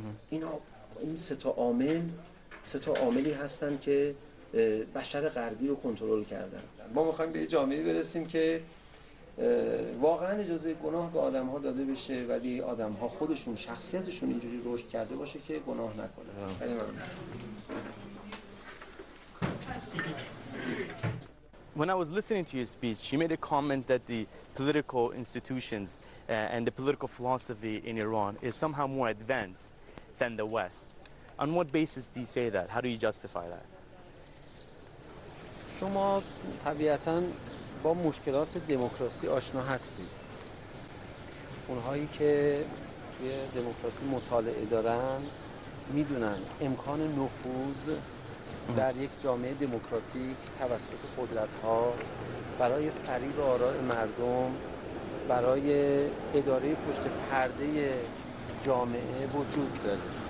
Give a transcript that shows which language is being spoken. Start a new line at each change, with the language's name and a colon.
Persian: این سه تا عاملی هستن که بشر غربی رو کنترل کردن. ما میخوایم به جامعه برسیم که واقعا اجازه گناه به آدم ها داده بشه، ولی آدم ها خودشون شخصیتشون اینجوری رشد کرده باشه که گناه نکنه. خیلی ممنون.
English: When I was listening to your speech, you made a comment that the political institutions and the political philosophy in Iran is somehow more advanced than the West. On what basis do you say that? How do you justify that?
Persian: شما طبیعتاً با مشکلات دموکراسی آشنا هستید. اونهایی که توی دموکراسی مطالعه دارن میدونن امکان نفوذ در یک جامعه دموکراتیک توسط قدرت‌ها برای فریب آراء مردم، برای اداره پشت پرده جامعه وجود داره.